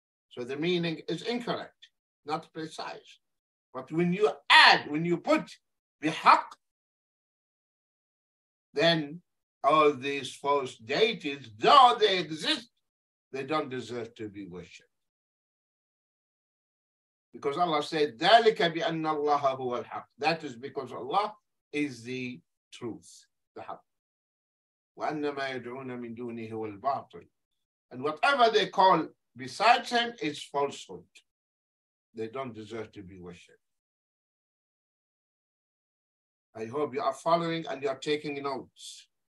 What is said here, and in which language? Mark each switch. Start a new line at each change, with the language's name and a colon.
English: So the meaning is incorrect, not precise. But when you add, when you put bihaq, then all these false deities, though they exist, they don't deserve to be worshipped.
Arabic: Because Allah said, ذَلِكَ بِأَنَّ اللَّهَ هُوَ الْحَقِّ.
English: That is because Allah is the truth, the haqq.
Arabic: وَأَنَّ مَا يَدْعُونَ مِن دُونِهِ هُوَ الْبَاطِلِ.
English: And whatever they call besides him is falsehood. They don't deserve to be worshipped. I hope you are following and you are taking notes.